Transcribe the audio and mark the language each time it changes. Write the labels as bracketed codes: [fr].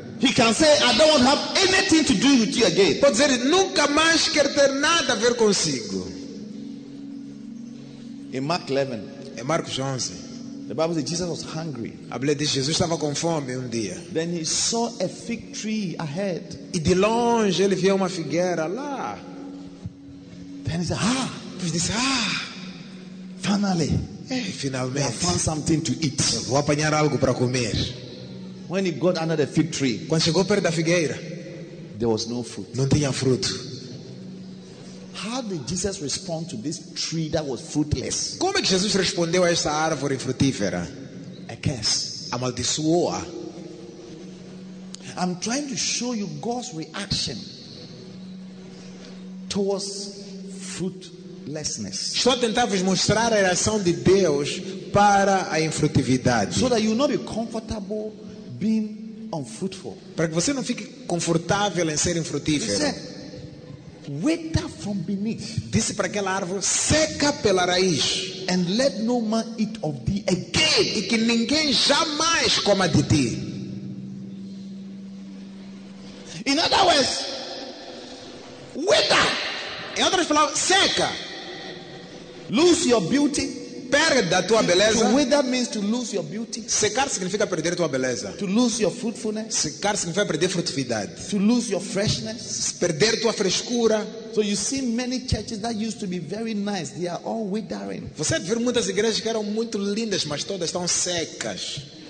[en] He can say, I don't want to have anything to do with you again. [pt] Pode dizer, nunca mais quer ter nada a ver consigo. [en] In Mark 11. [pt] Em Marcos 11. [en] The Bible says Jesus was hungry. [pt] A Bíblia diz, Jesus estava com fome dia. [en] Then he saw a fig tree ahead. [pt] E de longe ele viu uma figueira lá. [en] Then he said, ah. [pt] Pois disse, ah. [en] Finally. [pt] Finalmente, [en] I found something to eat. [pt] Vou apanhar algo para comer. [en] When he got under the fig tree, [pt] quando chegou perto da figueira, [en] there was no fruit. [pt] Não tinha fruto. [en] How did Jesus respond to this tree that was fruitless? [pt] Como é que Jesus respondeu a esta árvore frutífera? [en] A curse. [pt] Amaldiçoou-a. [en] I'm trying to show you God's reaction towards fruit. [pt] Estou a tentar vos mostrar a reação de Deus para a infrutividade. [en] So that you not be comfortable being unfruitful. [pt] Para que você não fique confortável em ser infrutífero. [en] Said, wither from beneath. [pt] Disse para aquela árvore, seca pela raiz. [en] And let no man eat of thee again. [pt] E que ninguém jamais coma de ti. [en] In other words, wither. [pt] Em outras palavras, seca. [en] Lose your beauty. [pt] Perda a tua beleza. [en] To wither means to lose your beauty. [pt] Secar significa perder a tua beleza. [en] To lose your fruitfulness. [pt] Secar significa perder frutividade. [en] To lose your freshness. [pt] Perder tua frescura. [en] So you see many churches that used to be very nice, they are all withering. [pt] Você vê muitas igrejas que eram muito lindas, mas todas estão secas.